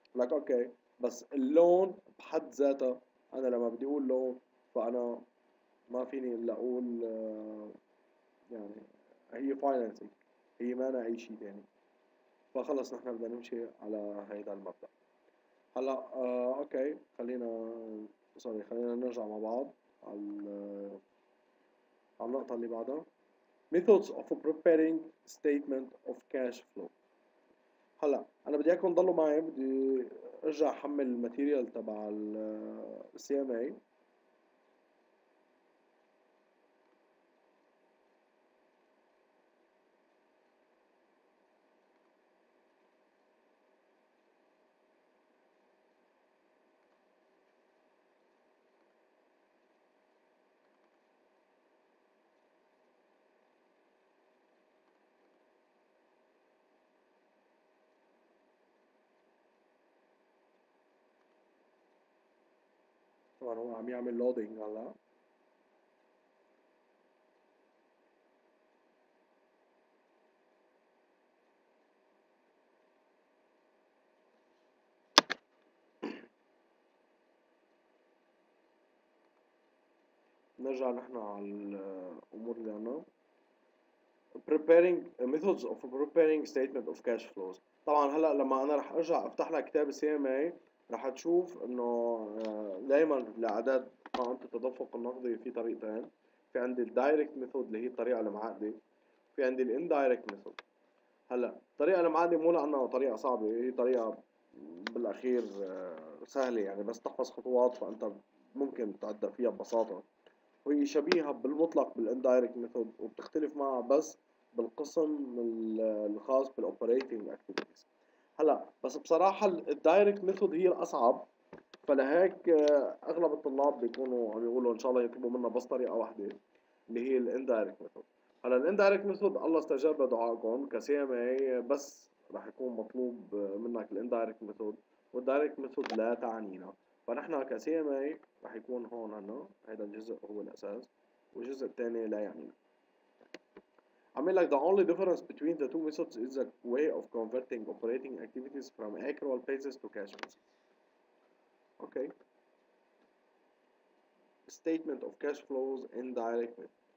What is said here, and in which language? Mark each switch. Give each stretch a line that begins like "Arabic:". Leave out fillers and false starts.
Arabic: لك اوكي، بس اللون بحد ذاته، انا لما بدي اقول لون فانا ما فيني الا اقول يعني هي financing، هي ما انا اي شيء ثاني. فخلص نحن بدنا نمشي على هيدا المبدأ. هلا اوكي خلينا سوري خلينا نرجع مع بعض على النقطة اللي بعدها.
English: Methods of preparing statement of cash flow.
Arabic: هلا انا بدي اياكم تضلوا معي، بدي ارجع احمل الماتيريال تبع ال CMA. طبعاً هو عم يعمل لودينج هلا. نرجع نحن على الأمور اللي عنا.
English: Preparing methods of preparing statement of cash flows.
Arabic: طبعاً هلا لما أنا رح أرجع أفتح لك كتاب CMA رح تشوف انه دائما لاعداد قائمه التدفق النقدي في طريقتين، في عندي الدايركت ميثود اللي هي الطريقه المعقده، في عندي الاندايركت ميثود. هلا الطريقه المعقده مو لانها طريقه صعبه، هي طريقه بالاخير سهله، يعني بس تحفظ خطوات فانت ممكن تعدى فيها ببساطه، وهي شبيهه بالمطلق بالاندايركت ميثود، وبتختلف معها بس بالقسم الخاص بالاوبريتنج اكتيفيتيز. هلا بس بصراحة الدايركت ميثود هي الأصعب، فلهيك أغلب الطلاب بيكونوا عم يقولوا إن شاء الله يطلبوا منا بس طريقة واحدة اللي هي الاندايركت ميثود. هلا الاندايركت ميثود الله استجاب لدعائكم كCMA، بس رح يكون مطلوب منك الاندايركت ميثود، والدايركت ميثود لا تعنينا. فنحن كCMA رح يكون هون عنا هيدا الجزء هو الأساس، والجزء الثاني لا يعنينا.
English: I mean like the only difference between the two methods is a way of converting operating activities from accrual basis to cash basis. Okay. Statement of cash flows indirect method.